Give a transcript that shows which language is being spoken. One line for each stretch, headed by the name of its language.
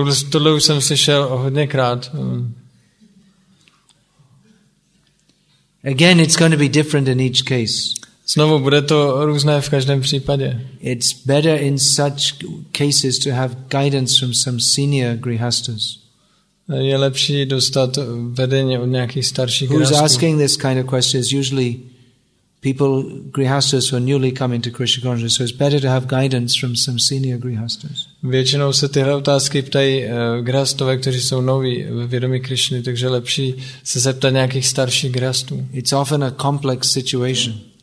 Czech: Tohle už jsem slyšel hodněkrát.
English: Again, it's going to be different in each case.
Czech: Znovu, bude to různé v každém případě.
English: It's better in such cases to have guidance from some senior grihasthas.
Czech: Je lepší dostat vedení od nějakých starších grihasthů.
English: Who's asking this kind of question is usually people grihasthas who are newly coming to Krishna consciousness, so it's better to have guidance from some senior grihasthas.
Czech: Většinou se tyhle otázky ptají grihasthové, kteří jsou noví ve vědomí Krishny, takže lepší se zeptat nějakých starších grihasthů.
English: It's often a complex situation.